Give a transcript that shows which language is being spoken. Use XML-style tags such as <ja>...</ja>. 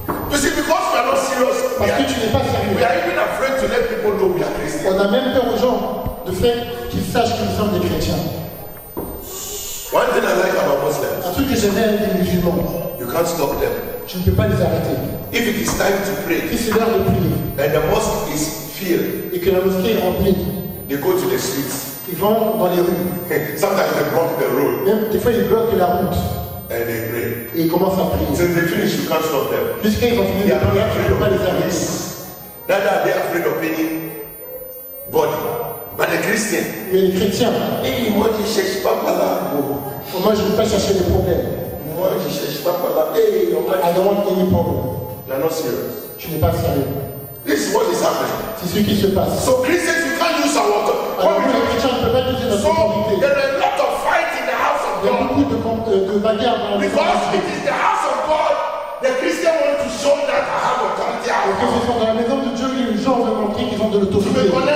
<en>You see, because we are not serious, we are even afraid to let people know we are Christians.</en> <fr>On a même peur aux gens de faire qu'ils sachent que nous sommes des chrétiens.</fr> <en>One thing I like about Muslims.</en> <fr>Un truc que j'aime bien des musulmans.</fr> <en>You can't stop them.</en> <fr>Tu ne peux pas les arrêter.</fr> <en>If it is time to pray,</en> <fr>si c'est l'heure de prier,</fr> <en>and the mosque is filled,</en> <fr>et que la mosquée est remplie,</fr> <en>they go to the streets.</en> <fr>Ils vont dans les rues.</fr> <en>Sometimes they block the road.</en> <fr>Même des fois ils bloquent la route.</fr> <en>And they pray.</en> <fr>Et ils commencent à prier.</fr> <en>Since they finish, you can't stop them.</en> <fr>Jusqu'ils ont fini,</fr> <en>they</en> <fr>ne peuvent pas les arrêter.</fr> <en>Now they are afraid of any body. But a Christian.</en> <fr>Mais les chrétiens. Et moi je cherche pas par là. Moi je ne veux pas chercher des problèmes. Moi je cherche pas par là. Hey,</fr> <en>I don't want any problem. You are not serious.</en> <fr>Tu n'es pas sérieux.</fr> <en>This is what is happening.</en> <fr>C'est ce qui se passe.</fr> <en>So Christians, you can't use our water.</en> <fr>Alors, les chrétiens ne peuvent pas utiliser notre autorité.</fr> <en>There are a lot of fights in the house of God.</en> <fr>Il y a beaucoup de bagarres dans la maison.</fr> <en>Because it is the house of God, the Christian wants to show that I have authority.</en> <fr>Parce que ce sont dans la maison de Dieu, les gens veulent montrer qu'ils ont de l'autorité.</fr>